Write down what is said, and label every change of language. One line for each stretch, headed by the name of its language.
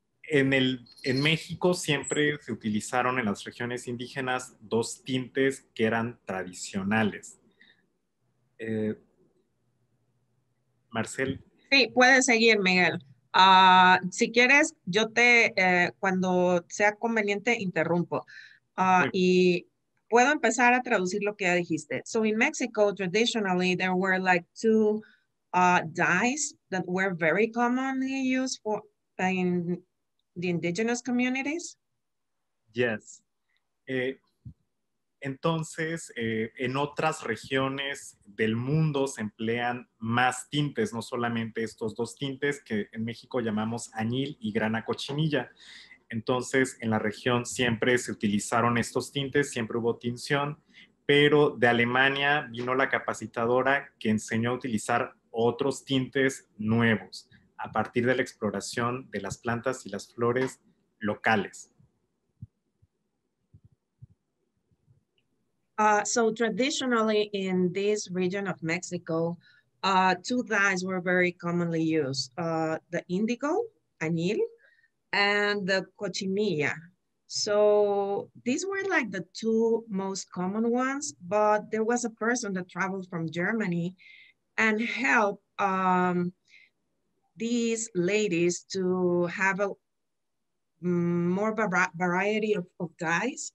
Spanish: En México siempre se utilizaron en las regiones indígenas dos tintes que eran tradicionales. Marcel. Sí, puedes seguir, Miguel. Si quieres, yo te, cuando sea conveniente, interrumpo. Y puedo empezar a traducir lo que ya dijiste.
English: So in Mexico, traditionally, there were like two dyes that were very commonly used for in the indigenous communities. Yes.
Spanish: Entonces, en otras regiones del mundo se emplean más tintes, no solamente estos dos tintes que en México llamamos añil y grana cochinilla. Entonces, en la región siempre se utilizaron estos tintes, siempre hubo tinción, pero de Alemania vino la capacitadora que enseñó a utilizar otros tintes nuevos a partir de la exploración de las plantas y las flores locales.
English: So traditionally in this region of Mexico, two dyes were very commonly used, the indigo, añil, and the cochinilla. So these were like the two most common ones, but there was a person that traveled from Germany and helped these ladies to have a more variety of dyes.